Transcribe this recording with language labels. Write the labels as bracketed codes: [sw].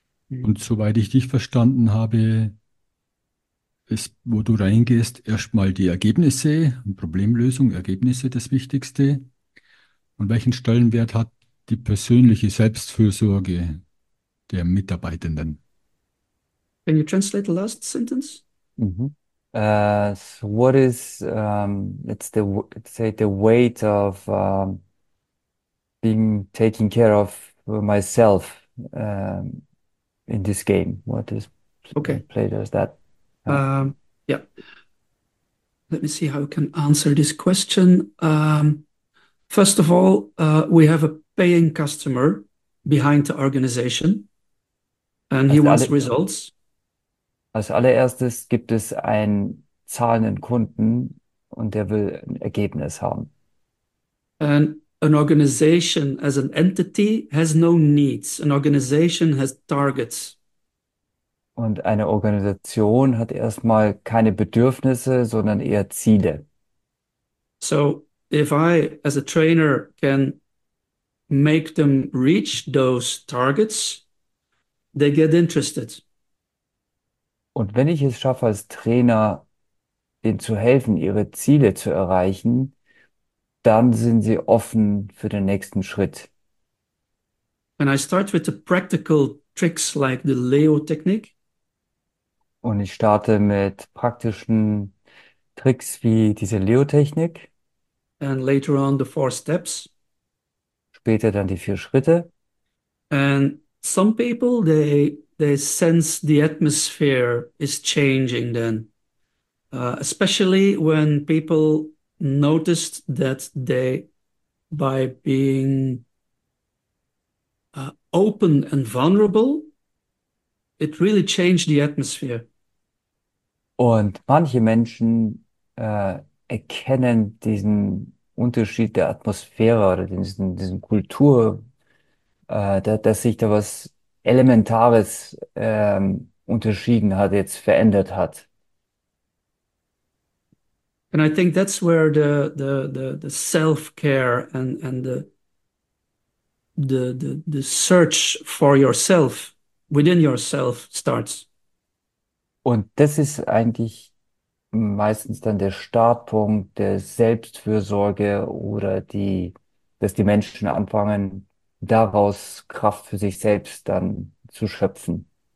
[de] Und soweit ich dich verstanden habe, ist, wo du reingehst, erstmal die Ergebnisse, Problemlösung, Ergebnisse das Wichtigste. Und welchen Stellenwert hat die persönliche Selbstfürsorge der Mitarbeitenden? [en] Can you translate the last sentence? So what is let's say the weight of being taking care of myself in this game? What is Okay. play does that? Let me see how I can answer this question. First of all, we have a paying customer behind the organization, and he wants results. [de] Als allererstes gibt es einen zahlenden Kunden und der will ein Ergebnis haben. [en] And an organization as an entity has no needs. An organization has targets. [de] Und eine Organisation hat erstmal keine Bedürfnisse, sondern eher Ziele. [en] So, if I, as a trainer, can make them reach those targets, they get interested. [de] Und wenn ich es schaffe, als Trainer, ihnen zu helfen, ihre Ziele zu erreichen, dann sind sie offen für den nächsten Schritt. [en] And I start with the practical tricks like the Leo-Technik. [de] Und ich starte mit praktischen Tricks wie diese Leo-Technik. [en] And later on the four steps. [de] Später dann die vier Schritte. [en] And some people they sense the atmosphere is changing then. Especially when people noticed that they by being open and vulnerable, it really changed the atmosphere. [de] Und manche Menschen erkennen diesen Unterschied der Atmosphäre oder diesen Kultur, dass sich da was Elementares unterschieden hat, jetzt verändert hat. [en] And I think that's where the self-care and the search for yourself within yourself starts. [de] Und das ist eigentlich meistens dann der Startpunkt der Selbstfürsorge oder dass die Menschen anfangen, daraus Kraft für sich selbst dann zu schöpfen.